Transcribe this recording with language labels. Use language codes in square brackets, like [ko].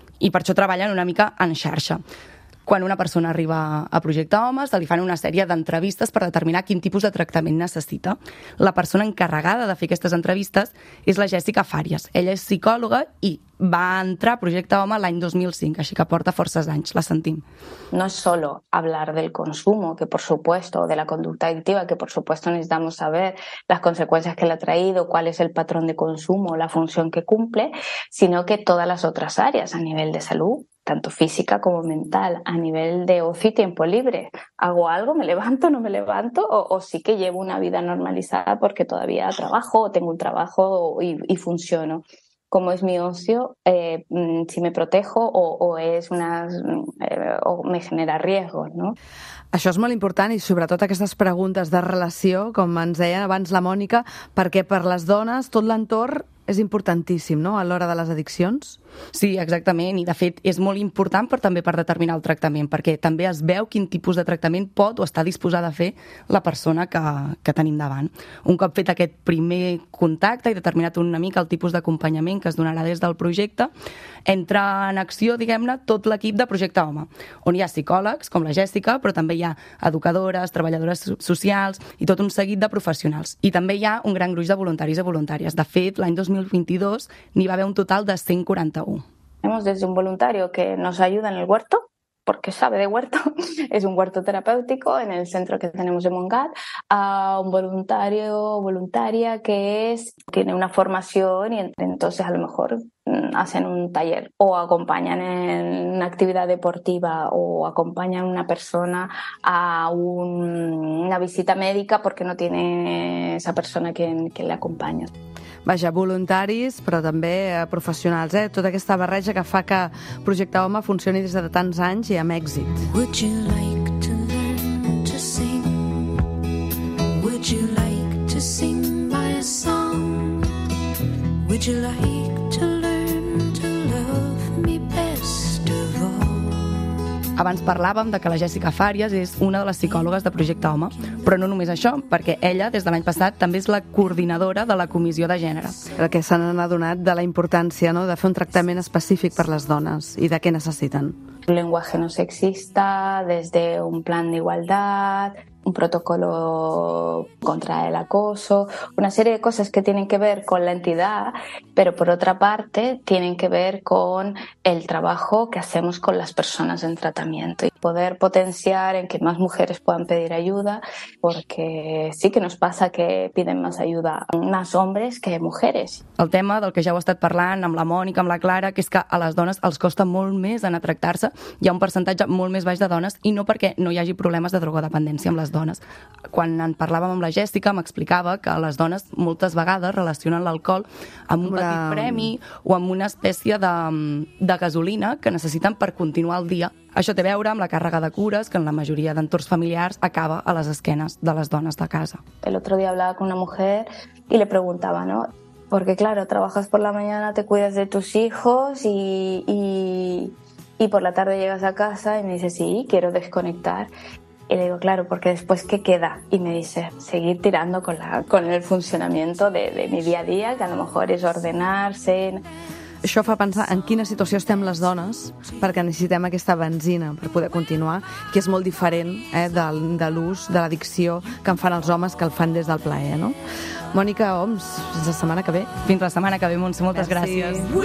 [ca] I per això treballen una mica en xarxa. Quan una persona arriba a Projecte Home, se li fan una sèrie d'entrevistes per determinar quin tipus de tractament necessita. La persona encarregada de fer aquestes entrevistes és la Jessica Farias. Ella és psicòloga i va entrar a Projecte Home l'any 2005, així que porta forces anys. La sentim. [es] No es solo hablar del consumo, que por supuesto, de la conducta adictiva, que por supuesto necesitamos saber las consecuencias que le ha traído, cuál es el patrón de consumo, la función que cumple, sino que todas las otras áreas a nivel de salud, tanto física como mental, a nivel de ocio y tiempo libre. ¿Hago algo? ¿Me levanto? ¿No me levanto? ¿O sí que llevo una vida normalizada porque todavía trabajo o tengo un trabajo y funciono? ¿Cómo es mi ocio? ¿Si me protejo o me genera riesgos, ¿no? [ca] Això és molt important i sobretot aquestes preguntes de relació, com ens deia abans la Mònica, perquè per les dones tot l'entorn és importantíssim, no?, a l'hora de les addiccions. Sí, exactament, i de fet és molt important però també per determinar el tractament, perquè també es veu quin tipus de tractament pot o està disposada a fer la persona que tenim davant. Un cop fet aquest primer contacte i determinat una mica el tipus d'acompanyament que es donarà des del projecte, entra en acció, diguem-ne, tot l'equip de Projecte Home, on hi ha psicòlegs, com la Jessica, però també hi ha educadores, treballadores socials i tot un seguit de professionals. I també hi ha un gran gruix de voluntaris i voluntàries. De fet, l'any 2022 n'hi va haver un total de 141. [es] Tenemos desde un voluntario que nos ayuda en el huerto, porque sabe de huerto, es un huerto terapéutico en el centro que tenemos en Montgat, a un voluntario o voluntaria que tiene una formación y entonces a lo mejor hacen un taller o acompañan en una actividad deportiva o acompañan una persona a una visita médica porque no tiene esa persona quien le acompaña. [ca] Vaja, voluntaris, però també professionals, eh? Tota aquesta barreja que fa que Projecte Home funcioni des de tants anys i amb èxit. [en] Would you like to learn to sing? Would you like to sing my song? Would you like to learn to love me best of all? [ca] Abans parlàvem de que la Jessica Farias és una de les psicòlogues de Projecte Home. Però no només això, perquè ella, des de l'any passat, també és la coordinadora de la Comissió de Gènere. El que s'han adonat de la importància, no?, de fer un tractament específic per les dones i de què necessiten. [es] Un lenguatge no sexista, des d'un plan d'igualtat, un protocolo contra el acoso, una serie de cosas que tienen que ver con la entidad, pero por otra parte tienen que ver con el trabajo que hacemos con las personas en tratamiento y poder potenciar en que más mujeres puedan pedir ayuda, porque sí que nos pasa que piden más ayuda más hombres que mujeres. [ca] El tema del que ja heu estat parlant amb la Mònica, amb la Clara, que és que a les dones els costa molt més anar a tractar-se, hi ha un percentatge molt més baix de dones, i no perquè no hi hagi problemes de drogodependència amb les dones. Quan en parlàvem amb la Jèssica, m'explicava que les dones moltes vegades relacionen l'alcohol amb un petit premi o amb una espècie de gasolina que necessiten per continuar el dia. Això té a veure amb la càrrega de cures que en la majoria d'entorns familiars acaba a les esquenes de les dones de casa. [es] El otro día hablaba con una mujer y le preguntaba, ¿no? Porque claro, trabajas por la mañana, te cuidas de tus hijos y por la tarde llegas a casa y me dice, sí, quiero desconectar. Y le digo, claro, porque después, ¿qué queda? Y me dice, seguir tirando con el funcionamiento de mi día a día, que a lo mejor es ordenarse. [ca] Això fa pensar en quina situació estem les dones perquè necessitem aquesta benzina per poder continuar, que és molt diferent de l'ús, de l'addicció que en fan els homes, que el fan des del plaer, no? Mònica Homs, fins la setmana que ve. Fins la setmana que ve, Montse, moltes gràcies.